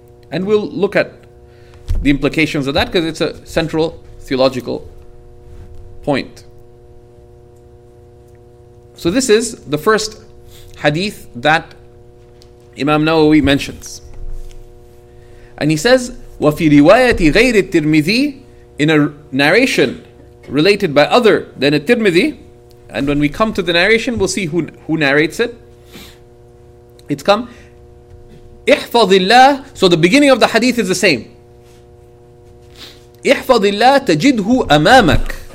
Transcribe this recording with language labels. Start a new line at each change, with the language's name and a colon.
English: And we'll look at the implications of that, because it's a central theological point. So this is the first hadith that Imam Nawawi mentions. And he says,
Arabic: وَفِي رِوَايَةِ غَيْرِ التِّرْمِذِي.
English: In a narration related by other than a Tirmidhi, and when we come to the narration, we'll see who narrates it. It's come,
Arabic: إِحْفَظِ اللَّهِ.
English: So the beginning of the hadith is the same.
Arabic: إِحْفَظِ اللَّهِ تَجِدْهُ أَمَامَكَ.